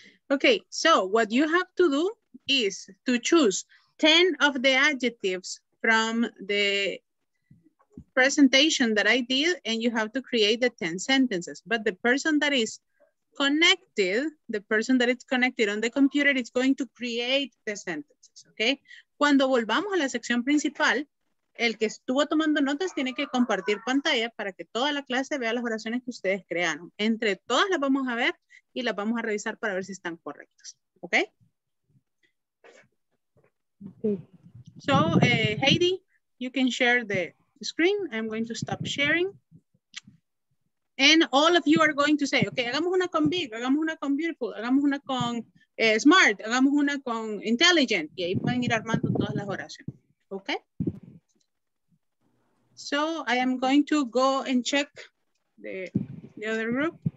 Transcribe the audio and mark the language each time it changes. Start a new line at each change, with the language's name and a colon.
English: Ok, so what you have to do is to choose 10 of the adjectives from the presentation that I did, and you have to create the 10 sentences. But the person that is connected, the person that is connected on the computer is going to create the sentences, okay?
Spanish: Cuando volvamos a la sección principal, el que estuvo tomando notas tiene que compartir pantalla para que toda la clase vea las oraciones que ustedes crearon. Entre todas las vamos a ver y las vamos a revisar para ver si están correctas. ¿Ok? Sí.
English: So, Heidi, you can share the screen. I'm going to stop sharing. And all of you are going to say, ok,
Spanish: hagamos una con big, hagamos una con beautiful, hagamos una con smart, hagamos una con intelligent. Y ahí pueden ir armando todas las oraciones. ¿Ok?
English: So, I am going to go and check the other group.